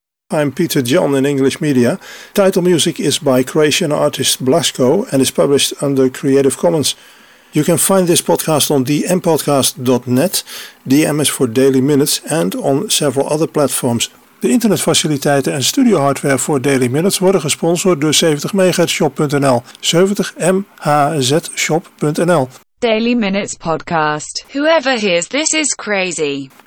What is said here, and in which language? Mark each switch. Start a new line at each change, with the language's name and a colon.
English: I'm Peter John in English Media. Title music is by Croatian artist Blasko and is published under Creative Commons. You can find this podcast on dmpodcast.net, DM is for Daily Minutes, and on several other platforms.
Dutch: De internetfaciliteiten en studio hardware voor Daily Minutes worden gesponsord door 70MHzShop.nl, 70MHzShop.nl.
English: Daily Minutes Podcast. Whoever hears this is crazy.